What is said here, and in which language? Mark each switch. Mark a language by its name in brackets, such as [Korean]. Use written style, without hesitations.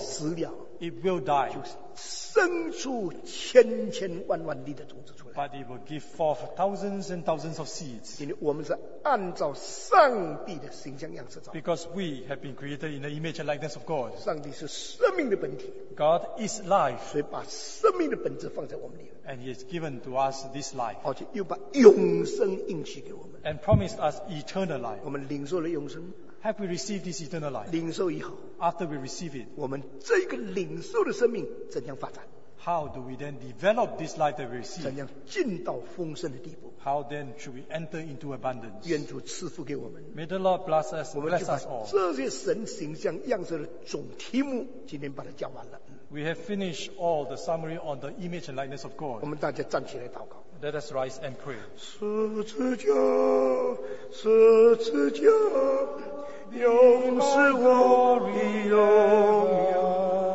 [Chinese] 死了, [English] it will die, [Chinese] 就生出千千万万粒的种子出来, [English] but it will give forth thousands and thousands of seeds, [Chinese] 因为我们是按照上帝的形象样式造, [English] because we have been created in the image and likeness of God, [Chinese] 上帝是生命的本体, [English] God is life, [Chinese] 所以把生命的本质放在我们里面。 [English] And he has given to us this life. [Chinese] 而且又把永生应许给我们。 [English] And promised us eternal life. [Chinese] 我们领受了永生。 [English] Have we received this eternal life? [Chinese] 领受以后。 [English] After we receive it. [Chinese] 我们这个领受的生命怎样发展？ [English] How do we then develop this life that we receive? [Chinese] 怎样进到丰盛的地步？ [English] How then should we enter into abundance? [Chinese] 愿主赐福给我们。 [English] May the Lord bless us, bless us all. [Chinese] 这些神形象样式的总题目今天把它讲完了。 [English] We have finished all the summary on the image and likeness of God. [Chinese] 我们大家站起来祷告。 [English] Let us rise and pray. [Chinese] 十字架，十字架，永是我的荣耀。